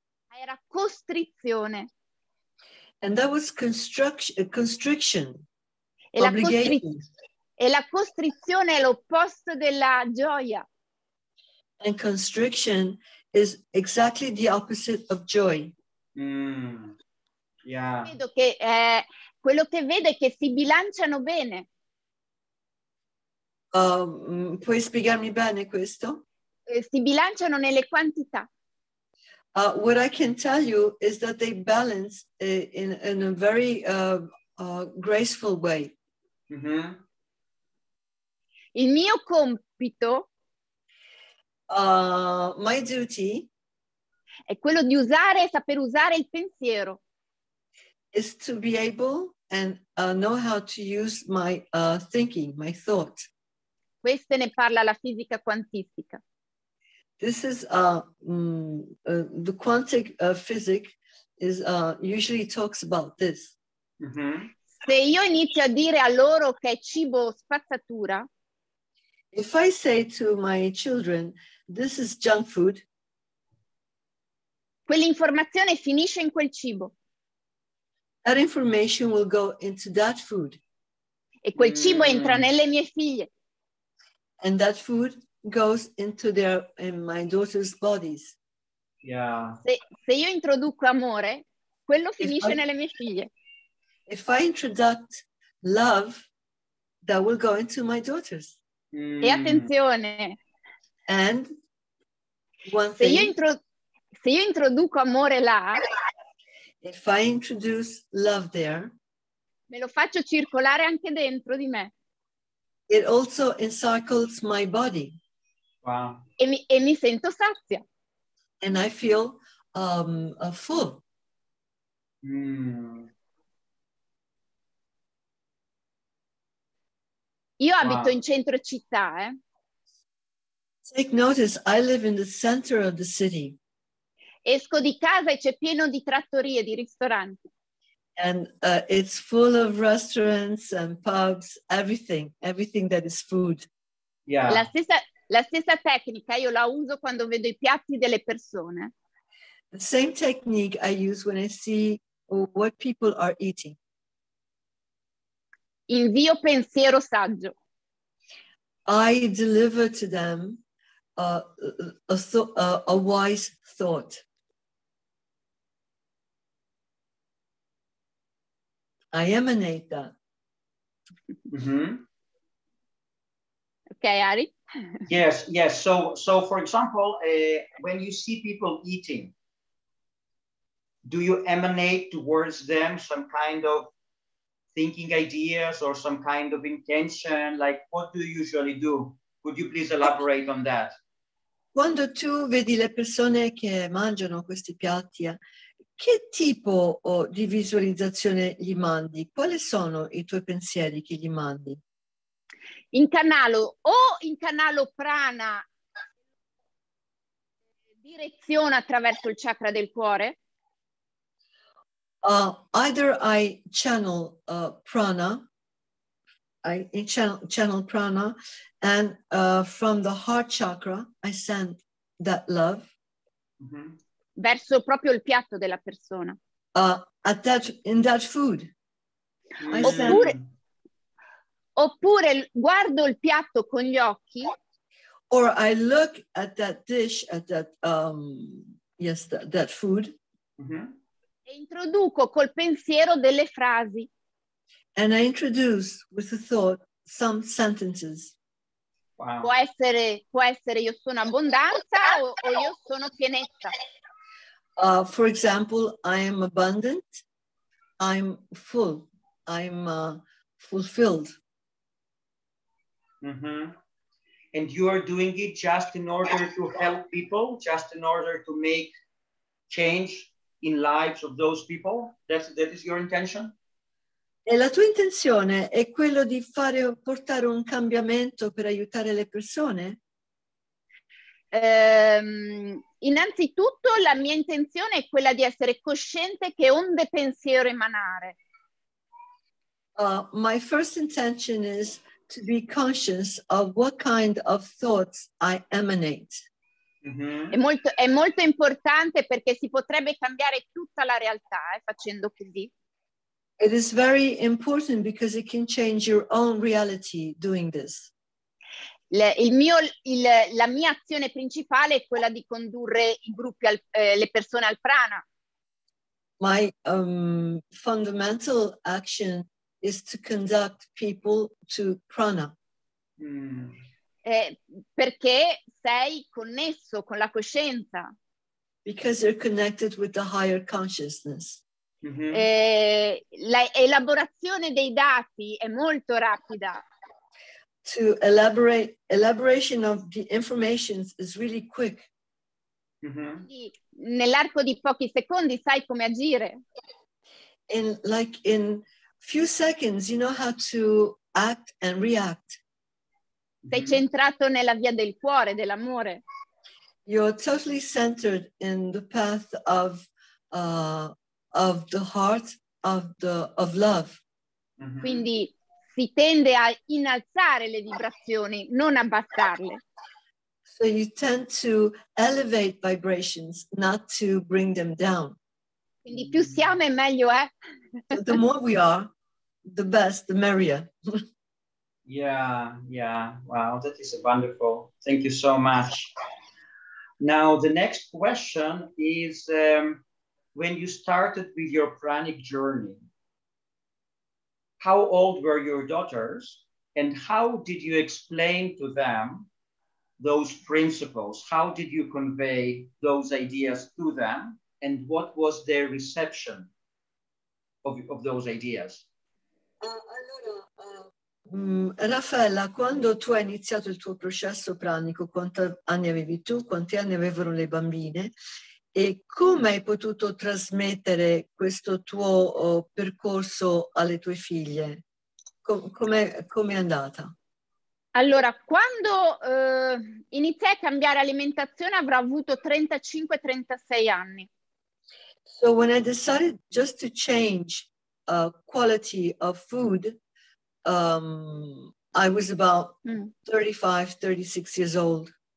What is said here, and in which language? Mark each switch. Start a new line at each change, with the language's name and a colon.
Italian: Era costrizione.
English: And that was constriction. E obligation. E la costrizione è l'opposto della gioia. And constriction is exactly the opposite of joy. Yeah.
Italian: Vedo che quello che vedo è che si bilanciano bene. Puoi spiegarmi bene questo? Si bilanciano nelle quantità.
English: What I can tell you is that they balance in a very graceful way. Mm-hmm.
Italian: Il mio compito,
English: my duty,
Italian: è quello di usare e saper usare il pensiero.
English: Is to be able and know how to use my thinking, my thought.
Italian: Queste ne parla la fisica quantistica.
English: This is the quantum physics is usually talks about this. Mm-hmm.
Italian: Se io inizio a dire a loro che è cibo spazzatura.
English: If I say to my children, this is junk food,
Italian: quell'informazione finisce in quel cibo.
English: That information will go into that food.
Italian: E quel cibo entra nelle mie figlie.
English: And that food goes into their, in my daughter's bodies. Yeah.
Italian: Se io introduco amore, quello finisce nelle mie figlie.
English: If I introduce love, that will go into my daughters.
Italian: E attenzione,
English: and one
Italian: thing, se io introduco amore là,
English: if I introduce love there,
Italian: me lo faccio circolare anche dentro di me.
English: It also encircles my body. Wow.
Italian: E mi sento sazia.
English: And I feel full.
Italian: Io abito in centro città,
English: Take notice, I live in the center of the city.
Italian: Esco di casa e c'è pieno di trattorie, di ristoranti.
English: And it's full of restaurants and pubs, everything that is food. Yeah.
Italian: La stessa tecnica io la uso quando vedo i piatti delle persone.
English: The same technique I use when I see what people are eating. Invio pensiero saggio. I deliver to them a wise thought. I emanate that. Mm-hmm. Okay, Ari. Yes, yes. So for example, when you see people eating, do you emanate towards them some kind of thinking ideas or some kind of intention? Like, what do you usually do? Could you please elaborate on that?
Italian: Quando tu vedi le persone che mangiano questi piatti, che tipo di visualizzazione gli mandi? Quali sono i tuoi pensieri che gli mandi? Incanalo prana, direziona attraverso il chakra del cuore?
English: Either I channel prana, I channel prana, and from the heart chakra I send that love.
Italian: Mm-hmm. Verso proprio il piatto della persona.
English: In that food.
Italian: Mm-hmm. Oppure guardo il piatto con gli occhi.
English: Or I look at that dish, at that that food.
Italian: Mm-hmm. E introduco col pensiero delle frasi.
English: And I introduce with a thought some sentences. Wow.
Italian: Può essere io sono abbondanza o io sono pienezza.
English: For example, I am abundant. I'm full. I'm fulfilled. Mm-hmm. And you are doing it just in order to help people, just in order to make change in lives of those people. That is your intention?
Italian: E la tua intenzione è quello di fare portare un cambiamento per aiutare le persone? Innanzitutto la mia intenzione è quella di essere cosciente che onde pensiero emanare.
English: My first intention is to be conscious of what kind of thoughts I emanate. Mm-hmm.
Italian: È molto importante perché si potrebbe cambiare tutta la realtà facendo così.
English: It is very important because it can change your own reality doing this.
Italian: La mia azione principale è quella di condurre i gruppi le persone al prana.
English: My fundamental action is to conduct people to prana. Mm.
Italian: Perché sei connesso con la coscienza.
English: Because you're connected with the higher consciousness.
Italian: Mm-hmm. L'elaborazione dei dati è molto rapida.
English: To elaboration of the information is really quick.
Italian: Mm-hmm. Nell'arco di pochi secondi sai come agire.
English: In few seconds you know how to act and react.
Italian: Sei mm-hmm. centrato nella via del cuore, dell'amore.
English: You're totally centered in the path of the heart of love. Mm-hmm.
Italian: Quindi si tende a innalzare le vibrazioni, non abbassarle.
English: So you tend to elevate vibrations, not to bring them down.
Italian: Quindi più siamo e meglio è.
English: So the more we are, the best, the merrier. Yeah, wow, that is wonderful. Thank you so much. Now the next question is when you started with your pranic journey, how old were your daughters and how did you explain to them those principles? How did you convey those ideas to them and what was their reception of those ideas?
Italian: Raffaella, quando tu hai iniziato il tuo processo pranico, quanti anni avevi tu? Quanti anni avevano le bambine? E come hai potuto trasmettere questo tuo percorso alle tue figlie? Come è andata? Allora, quando iniziai a cambiare alimentazione avrò avuto 35-36 anni.
English: So when I decided just to change quality of food, I was about 35-36 years old.